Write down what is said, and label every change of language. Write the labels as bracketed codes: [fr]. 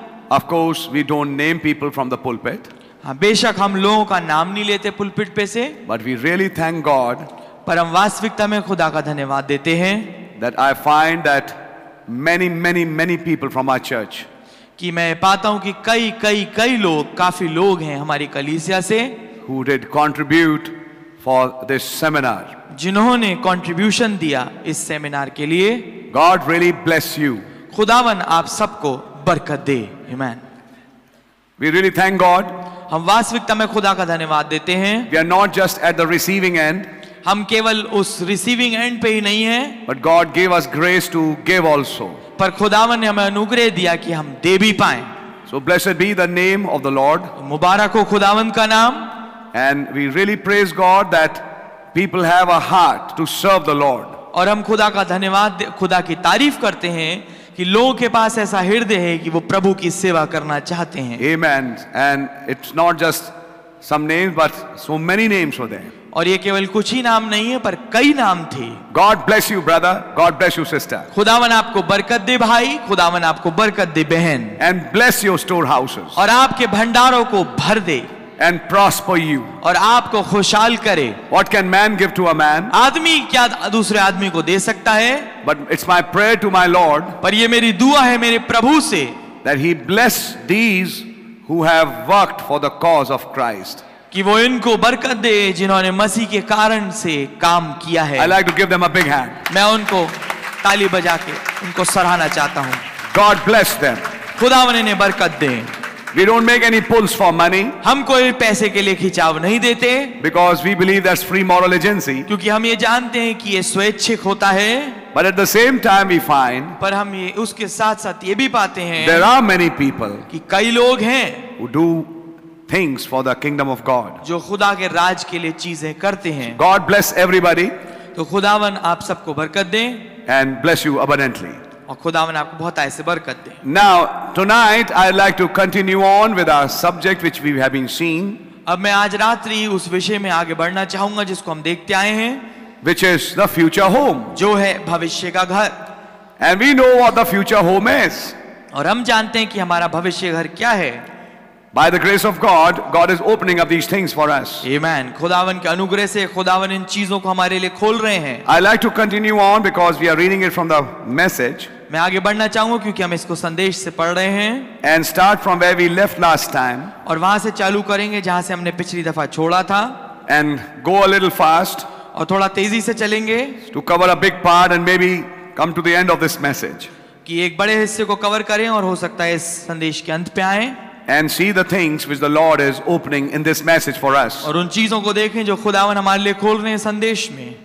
[en] Of course, we don't name people from the pulpit. [hi] हाँ, बेशक हम लोगों का नाम नहीं लेते पुलपिट पे से. [en] But we really thank God. [hi] पर हम वास्तविकता में खुदा का धन्यवाद देते हैं. [en] That I find that many, many, many people from our church. [hi] कि मैं पाता हूं कि कई कई कई लोग काफी लोग हैं हमारी कलीसिया से [en] who did contribute for this seminar. [hi] जिन्होंने कंट्रीब्यूशन दिया इस सेमिनार के लिए. [en] God really bless you. [hi] खुदावन आप सबको बरकत दे. Amen. [en] We really thank God. [hi] हम वास्तविकता में खुदा का धन्यवाद देते हैं. [en] We are not just at the receiving end. [hi] हम केवल उस [en] receiving end [hi] पे ही नहीं है. [en] But God gave us grace to give also. [hi] पर खुदावन ने हमें अनुग्रह दिया कि हम दे भी पाएं. [en] So blessed be the name of the Lord. [hi] मुबारक हो खुदावन का नाम. [en] And we really praise God that people have a heart to serve the Lord. [hi] और हम खुदा का धन्यवाद खुदा की तारीफ करते हैं कि लोगों के पास ऐसा हृदय है कि वो प्रभु की सेवा करना चाहते हैं. [en] Amen. And it's not just some names but so many names were there. [hi] और ये केवल कुछ ही नाम नहीं है पर कई नाम थे. [en] God bless you brother, God bless you sister. [hi] खुदावन आपको बरकत दे भाई, खुदावन आपको बरकत दे बहन. [en] And bless your storehouses. [hi] और आपके भंडारों को भर दे. [en] And prosper you. [hi] और आपको खुशहाल करे. [en] What can man give to a man? [hi] आदमी क्या दूसरे आदमी को दे सकता है? [en] But it's my prayer to my Lord. [hi] पर ये मेरी दुआ है मेरे प्रभु से. [en] That he bless these who have worked for the cause of Christ. [hi] कि वो इनको बरकत दे जिन्होंने मसीह के कारण से काम किया है. [en] I like to give them a big hand. [hi] मैं उनको ताली बजा के उनको सराहना चाहता हूँ. [en] God bless them. [hi] खुदावन इन्हें बरकत दे. [en] We don't make any pulls for money. [hi] हम कोई पैसे के लिए खिंचाव नहीं देते. [en] Because we believe that's free moral agency. [hi] क्योंकि हम ये जानते हैं कि ये स्वैच्छिक होता है. [en] But at the same time we find. [hi] पर हम ये उसके साथ साथ ये भी पाते हैं. [en] There are many people. [hi] कि कई लोग हैं. [en] Who do things for the kingdom of God. [hi] जो खुदा के राज के लिए चीजें करते हैं. [en] God bless everybody. [hi] तो खुदावन आप सबको बरकत दें. [en] And bless you abundantly. [hi] और खुदावन आपको बहुत आय से बरकत दें. [en] Now tonight I'd like to continue on with our subject which we have been seeing. [hi] अब मैं आज रात्रि उस विषय में आगे बढ़ना चाहूँगा जिसको हम देखते आए हैं. [en] Which is the future home. [hi] जो है भविष्य का घर. [en] And we know what the future home is. [hi] और हम जानते हैं कि हमारा भविष्य घर क्या है. [en] By the grace of God, God is opening up these things for us. Amen. [hi] खुदावन के अनुग्रह से खुदावन इन चीजों को हमारे लिए खोल रहे हैं. [en] I like to continue on because we are reading it from the message. [hi] मैं आगे बढ़ना चाहूंगा क्योंकि हम इसको संदेश से पढ़ रहे हैं. [en] And start from where we left last time. [hi] और वहां से चालू करेंगे जहां से हमने पिछली दफा छोड़ा था. [en] And go a little fast. [hi] और थोड़ा तेजी से चलेंगे. [en] To cover a big part and maybe come to the end of this message. [hi] कि एक बड़े हिस्से को कवर करें और हो सकता है इस संदेश के अंत पे आए. [en] And see the things which the Lord is opening in this message for us. [hi] और उन चीजों को देखें जो खुदावन हमारे लिए खोल रहे हैं संदेश में.